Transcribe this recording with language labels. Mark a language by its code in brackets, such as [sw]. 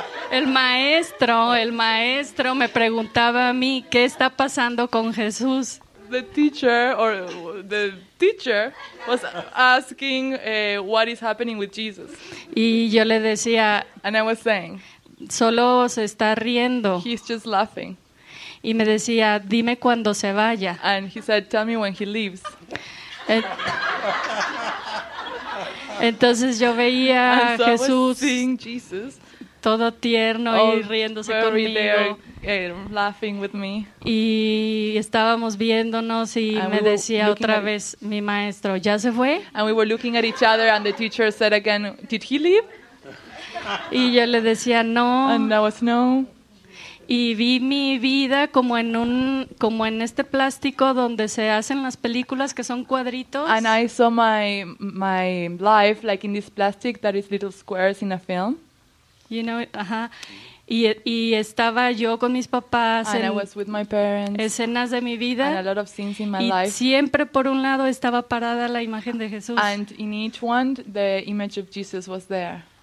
[es] El maestro me preguntaba a mí qué está pasando con Jesús. [en] The teacher was asking what is happening with Jesus. [es] Y yo le decía, [en] and I was saying, [es] solo se está riendo. [en] He's just laughing. [es] Y me decía, dime cuando se vaya. [en] And he said, tell me when he leaves. [es] Entonces yo veía [en] so [es] a Jesús [en] Jesus, [es] todo tierno y riéndose conmigo. [en] There, laughing with me. [es] Y estábamos viéndonos y [en] and [es] me decía otra vez mi maestro, ¿ya se fue? [en] And we were looking at each other and the teacher said again, did he leave? [es] Y yo le decía, no. [en] And I was no. [es] Y vi mi vida como en un como en este plástico donde se hacen las películas que son cuadritos. [en] And I saw my life like in this plastic that is little squares in a film. You know, [es] ajá. Y estaba yo con mis papás [en] and en I was with my parents, [es] escenas de mi vida [en] and a lot of scenes in my [es] y [en] life. [es] Siempre por un lado estaba parada la imagen de Jesús. [en] And in each one, the image of Jesus was there.